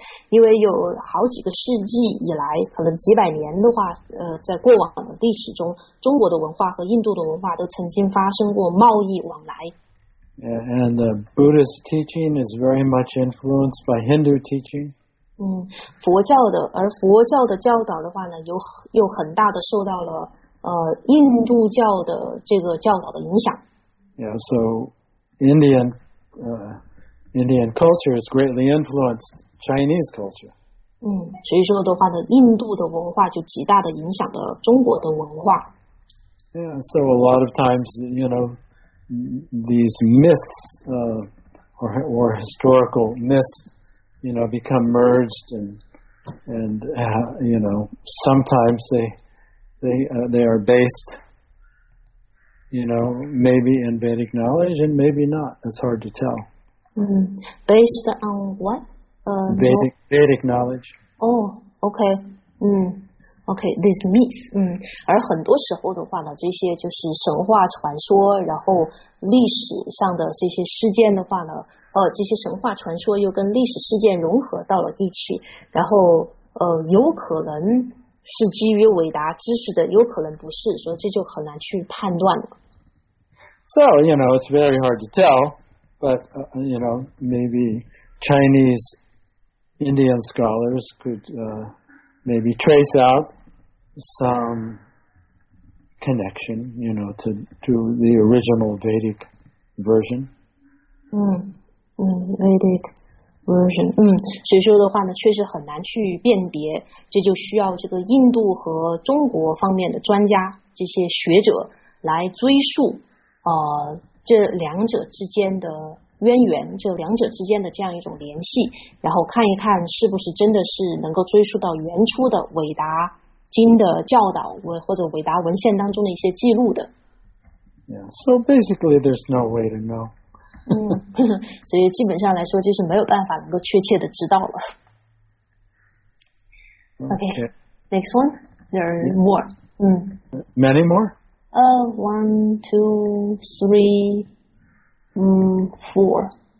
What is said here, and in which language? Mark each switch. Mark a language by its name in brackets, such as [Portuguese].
[Chinese] 因为有好几个世纪以来，可能几百年的话，在过往的历史中，中国的文化和印度的文化都曾经发生过贸易往来。 [English] And the Buddhist teaching is very much influenced by Hindu teaching. [Chinese] 而佛教的教导的话呢，又很大的受到了印度教的这个教导的影响。 [English] Yeah, so Indian culture is greatly influenced Chinese culture. [Chinese] 所以说的话呢，印度的文化就极大的影响了中国的文化。 [English] Yeah, so a lot of times, you know, these myths, or historical myths, you know, become merged and sometimes they are based, you know, maybe in Vedic knowledge and maybe not. It's hard to tell. Based on what? Vedic knowledge. Oh, okay. Okay, these myths. [Chinese] 而很多时候的话呢，这些就是神话传说，然后历史上的这些事件的话呢，这些神话传说又跟历史事件融合到了一起，然后有可能是基于伟达知识的，有可能不是，所以这就很难去判断了。 [English] So, you know, it's very hard to tell, but, you know, maybe Chinese Indian scholars could, maybe trace out some connection, you know, to the original Vedic version. Vedic version. [Chinese] 所以说的话呢，确实很难去辨别，这就需要这个印度和中国方面的专家，这些学者来追溯，这两者之间的渊源，这两者之间的这样一种联系，然后看一看是不是真的是能够追溯到原初的伟达经的教导或者伟达文献当中的一些记录的。 [English] Yeah, so basically there's no way to know. [Chinese] 所以基本上来说就是没有办法能够确切的知道了。 [English] Okay, next one. There are more. Many more? One, two, three... four.